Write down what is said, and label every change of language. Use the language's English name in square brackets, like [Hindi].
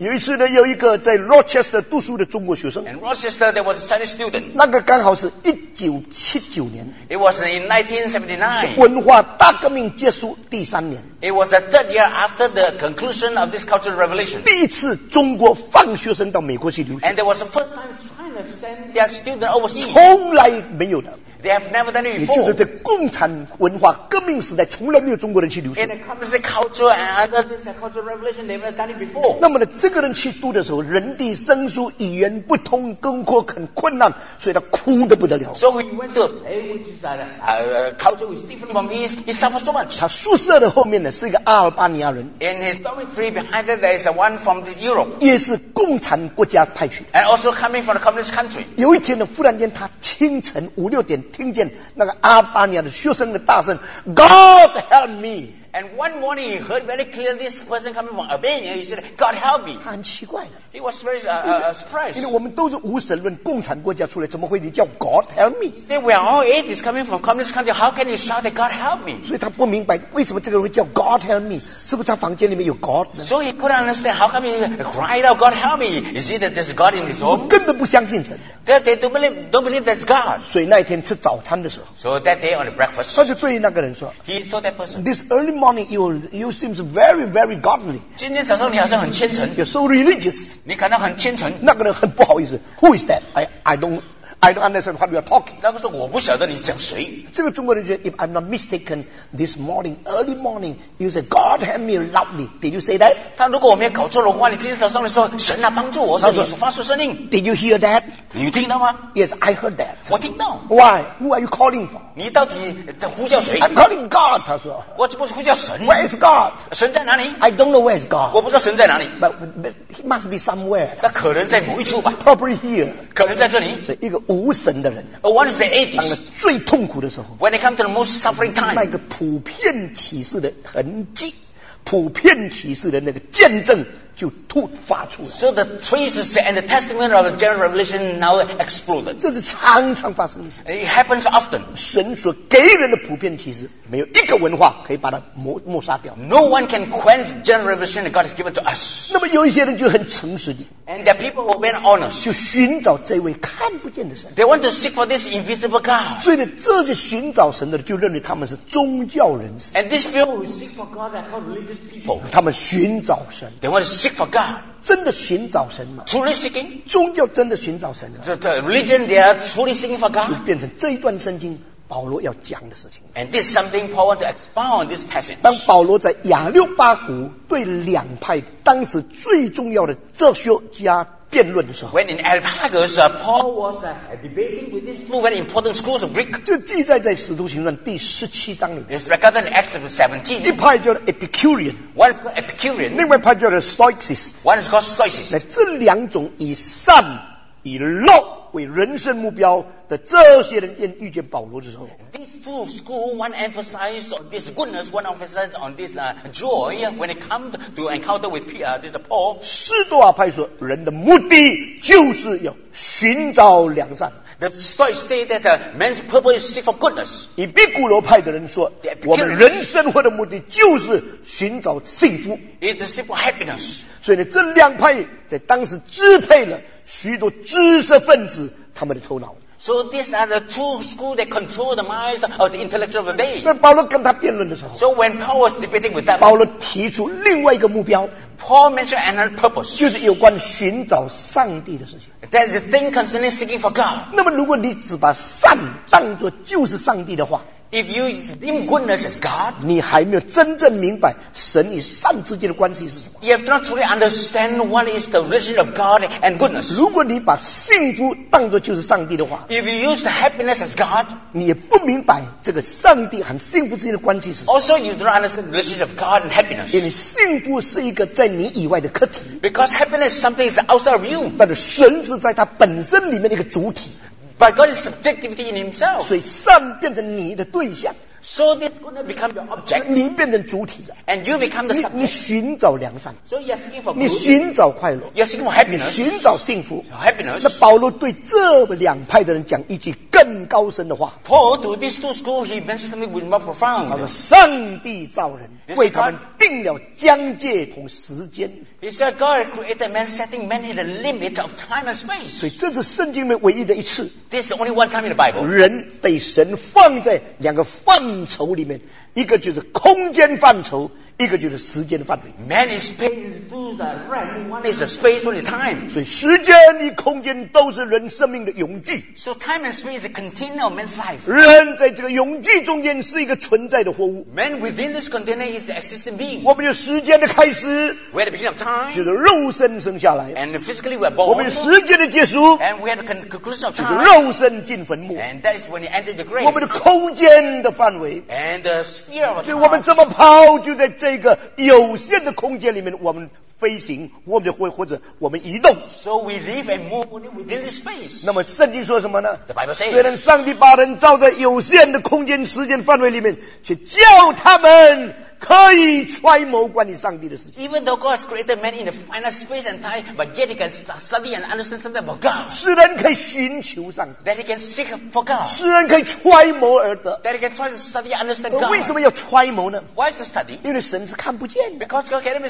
[Chinese] 有一次呢，有一个在 Rochester 读书的中国学生。 [English] In Rochester, there was a Chinese student. [Chinese] 那个刚好是1979年。 [English] It was in 1979. [Chinese] 文化大革命结束第三年。 [English] It was the third year after the conclusion of this cultural revolution. [Chinese] 第一次中国放学生到美国去留学。 [English] And there was the first time China sent their student overseas. [Chinese] 从来没有的。 [English] They have never done it before. [Chinese] 也就是在共产文化革命时代，从来没有中国人去留学。 [English] In the communist culture and under this cultural revolution, they've never done it before. [Chinese] 那么呢，这个人去读的时候，人地生疏，语言不通，更迫很困难，所以他哭得不得了。 [English] So he went to a which is culture which is different from his. He suffered so much. [Chinese] 他宿舍的后面呢是一个阿尔巴尼亚人。 [English] In his dormitory behind it, there is one from the Europe. [Chinese] 也是共产国家派去。 [English] And also coming from the communist country. [Chinese] 有一天呢，忽然间他清晨五六点。听见那个阿巴尼亚的学生的大声 [English] God help me. And one morning he heard very clearly this person coming from Albania. He said, God help me. [Chinese] 他很奇怪的。 [English] He was very surprised. [Chinese] 因为我们都是无神论共产国家出来，怎么会你叫 [English] God help me? He said, we are all atheists coming from communist country. How can you shout that God help me? [Chinese] 所以他不明白为什么这个人会叫 [English] God help me. [Chinese] 是不是他房间里面有 God 呢？ [English] So he couldn't understand how come he cried out, God help me. Is it that there's God in his home? [Chinese] 根本不相信神。 [English] They don't believe that's God. [Chinese] 所以那一天吃早餐的时候。 [English] So that day on the breakfast. [Chinese] 他就对那个人说。 [English] He told that person. This early morning you seems very, very godly. [Chinese] 今天早上你好像很虔诚。 [English] You're so religious. [Chinese] 你感到很虔诚。那个人很不好意思。 [English] Who is that? I don't understand what you are talking. [Chinese] 那个说我不晓得你讲谁。这个中国人觉得 [English] if I'm not mistaken, this morning, early morning, you said, God help me loudly. Did you say that? [Chinese] 他如果我没有搞错的话，你今天早上的时候，神啊帮助我，是耶稣发出声音。 [English] Did you hear that? [Chinese] 你听到吗？ [English] Yes, I heard that. [Chinese] 我听到。 [English] Why? Who are you calling for? [Chinese] 你到底在呼叫谁？ [English] I'm calling God, [Chinese] 他说。我这不是呼叫神。 [English] Where is God? [Chinese] 神在哪里？ [English] I don't know where is God. [Chinese] 我不知道神在哪里。 [English] But he must be somewhere. [Chinese] 那可能在某一处吧。 [English] Probably here. [Chinese] 可能在这里。所以一个无神的人 [English] What is the atheist? [Chinese] 当最痛苦的时候 [English] When it comes to the most suffering time [Chinese] 那个普遍启示的痕迹普遍启示的那个见证就突发出来 [English] So the traces and the testimony of the general revelation now exploded [Chinese] 这是常常发生的事 [English] It happens often [Chinese] 神所给人的普遍启示没有一个文化可以把它抹杀掉 [English] No one can quench general revelation that God has given to us [Chinese] 那么有一些人就很诚实的 [English] And there are people who are very honest [Chinese] 就寻找这位看不见的神 [English] They want to seek for this invisible God [Chinese] 所以呢这些寻找神的就认为他们是宗教人士 [English] And these people who seek for God are called religious people [Chinese] 他们寻找神 [English] They want to seek for God [Chinese] 真的寻找神吗 [English] Truly seeking [Chinese] 宗教真的寻找神吗 [English] The religion they are truly seeking for God [Chinese] 就变成这一段圣经保罗要讲的事情 [English] And this is something Paul wants to expound on this passage [Chinese] 当保罗在亚六巴谷对两派当时最重要的哲学家辩论的时候 [English] ，When in Areopagus, Paul was debating with these two very important schools of Greek. [Chinese] 就记载在《使徒行传》第十七章里面。 [English] It's recorded in Acts chapter 17. [Chinese] 一派叫 Epicurean, [English] one is called Epicurean. [Chinese] 另外一派叫 Stoicist, [English] one is called Stoicist. [Chinese] 那这两种以善以乐为人生目标的这些人，见遇见保罗的时候 [English] ，These two schools, one emphasized on this goodness, one emphasized on this joy when it comes to encounter with Peter, this Paul. [Chinese] 斯多亚派说，人的目的就是要寻找良善。 [English] The story say that man's purpose is seek for goodness. [Chinese] 以比古罗派的人说，我们人生活的目的就是寻找幸福。 [English] It is seek for happiness. [Chinese] 所以呢，这两派在当时支配了许多知识分子他们的头脑。 [English] So these are the two schools that control the minds of the intellectual of the day. [Chinese] 那保罗跟他辩论的时候 [English] ，So when Paul was debating with them, [Chinese] 保罗提出另外一个目标 [English] ，Paul mentioned another purpose, [Chinese] 就是有关寻找上帝的事情。 [English] That is the thing concerning seeking for God. [Chinese] 那么如果你只把善当作就是上帝的话 [English] ，If you deem goodness as God, [Chinese] 你还没有真正明白神与善之间的关系是什么。 [English] You have not truly understand what is the relation of God and goodness. [Chinese] 如果你把幸福当作就是上帝的话 [English] ，If you use the happiness as God, [Chinese] 你也不明白这个上帝和幸福之间的关系是什么。 [English] Also, you do not understand the relation of God and happiness. [Chinese] 因为幸福是一个在你以外的课题。 [English] Because happiness is something is outside of you. [Chinese] 但是神是在他本身里面的一个主体。 [English] But God is subjectivity in himself. [Chinese] 所以善变成你的对象。 [English] So this goodness become your object. [Chinese] 你变成主体了。 [English] And you become the subject. [Chinese] 你寻找良善。 [English] So you're seeking for good. [Chinese] 你寻找快乐。 [English] You're seeking for happiness. [Chinese] 你寻找幸福。 [English] Happiness. [Chinese] 那保罗对这两派的人讲一句更高深的话。 [English] Paul to these two schools, he mentioned something which is more profound. [Chinese] 他说上帝造人为他们定了疆界同时间。 [English] He said God created man setting man in the limit of time and space. [Chinese] 所以这是圣经里面唯一的一次。 [English] This is the only one time in the Bible. [Chinese] 人被神放在两个范畴里面，一个就是空间范畴，一个就是时间的范围。 [English] Man is paid to do the right. One is the space, one is time. [Chinese] 所以时间与空间都是人生命的永具。 [English] So time and space is a container of man's life. [Chinese] 人在这个永具中间是一个存在的活物。 [English] Man within this container is the existing being. [Chinese] 我们有时间的开始。 [English] We're the beginning of time. [Chinese] 就是肉身生下来。 [English] And physically we're born. [Chinese] 我们有时间的结束。 [English] And we have the conclusion of time. [Chinese] 就是肉身进坟墓。 [English] And that is when you enter the grave. [Chinese] 我们的空间的范围。 [English] And the sphere of time. [Chinese] 就我们这么跑，就在这。一个有限的空间里面，我们飞行，我们或者我们移动。 [English] So we live and move within this space. [Chinese] 那么圣经说什么呢 [English] ？The Bible says, [Chinese] 虽然上帝把人造在有限的空间、时间范围里面，却叫他们可以揣摩关于上帝的事情。 [English] Even though God has created man in the finite space and time, but yet he can study and understand something about God. [Chinese] 使人可以寻求上帝。 [English] That he can seek for God. [Chinese] 使人可以揣摩而得。 [English] That he can try to study and understand God. [Chinese] 为什么要揣摩呢 [English] ？Why is to study? [Chinese] 因为神是看不见。 [English] Because God can't be seen.